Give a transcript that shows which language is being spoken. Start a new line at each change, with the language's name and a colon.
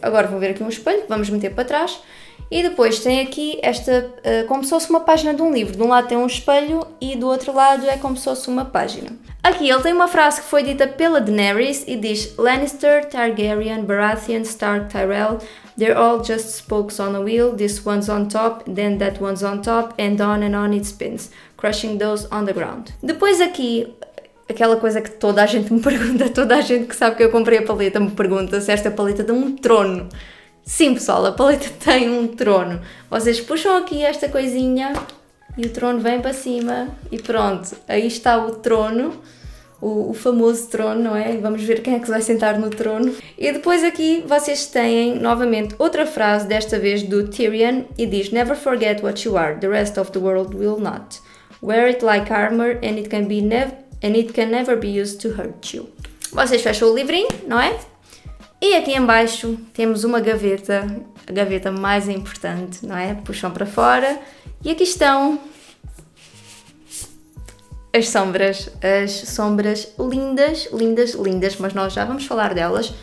Portuguese: Agora vão ver aqui um espelho, vamos meter para trás. E depois tem aqui esta, como se fosse uma página de um livro. De um lado tem um espelho e do outro lado é como se fosse uma página. Aqui ele tem uma frase que foi dita pela Daenerys e diz: Lannister, Targaryen, Baratheon, Stark, Tyrell,
English: they're all just spokes on a wheel. This one's on top, then that one's on top, and on it spins, crushing those on the ground.
Portuguese: Depois aqui, aquela coisa que toda a gente me pergunta, toda a gente que sabe que eu comprei a paleta me pergunta se esta paleta tem um trono. Sim, pessoal, a paleta tem um trono. Vocês puxam aqui esta coisinha e o trono vem para cima e pronto, aí está o trono, o famoso trono, não é? Vamos ver quem é que vai sentar no trono. E depois aqui vocês têm novamente outra frase, desta vez do Tyrion, e diz:
English: Never forget what you are, the rest of the world will not. Wear it like armor and it can be never. And it can never be used to hurt you.
Portuguese: Vocês fecham o livrinho, não é? E aqui embaixo temos uma gaveta, a gaveta mais importante, não é? Puxam para fora e aqui estão as sombras lindas, lindas, lindas, mas nós já vamos falar delas.